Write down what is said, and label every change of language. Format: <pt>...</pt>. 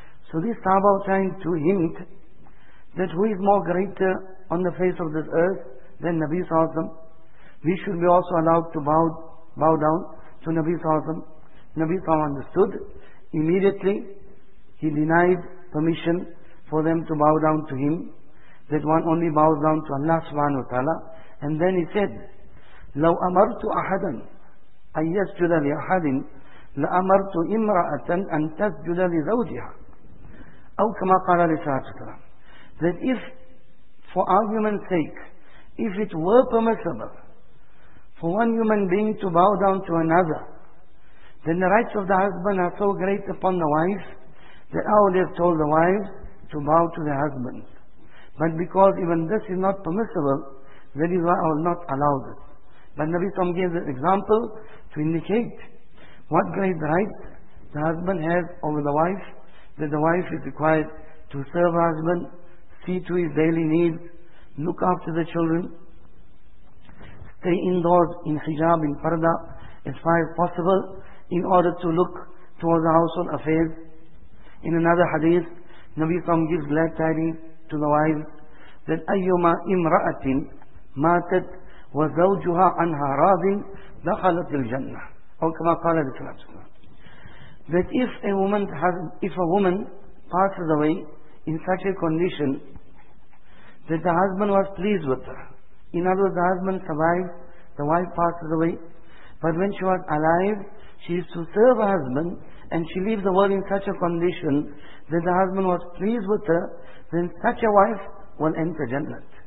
<en>So this Sahaba was trying to hint that who is more greater on the face of this earth than Nabi Sallallahu Alaihi Wasallam. We should be also allowed to bow down to Nabi Sallallahu Alaihi Wasallam. Nabi Sallallahu Alaihi Wasallam understood. Immediately, he denied permission for them to bow down to him, that one only bows down to Allah subhanahu wa ta'ala. And then he said,</en> <ar>لَوْ أَمَرْتُ أَحَدًا أَيَّسْجُدَ لِأَحَدٍ لَأَمَرْتُ إِمْرَأَةً أَنْ تَسْجُدَ لِزَوْجِهَا أَوْ كَمَا قَالَ لِسَلَاتُ سَلَامُ.</ar> <en>That if, for argument's sake, if it were permissible for one human being to bow down to another, then the rights of the husband are so great upon the wife that I would have told the wives to bow to their husbands. But because even this is not permissible, that is why I will not allow this. But Nabi Sallam gave this example to indicate what great rights the husband has over the wife, that the wife is required to serve her husband, see to his daily needs, look after the children, stay indoors in hijab, in parda, as far as possible, in order to look towards the household affairs. In another hadith, Nabi Sallam gives glad tidings to the wife that</en> <ar>أَيُّمَا إِمْرَأَةٍ مَاتَتْ وَزَوْجُهَا عَنْهَا رَاضٍ دَخَلَتِ الْجَنَّةِ أو كما قال رسول الله صلى الله عليه وسلم.</ar> <en>That if a woman passes away in such a condition that the husband was pleased with her, in other words, the husband survived, the wife passes away, but when she was alive, she is to serve her husband, and she leaves the world in such a condition that the husband was pleased with her, then such a wife will enter Jannat.</en>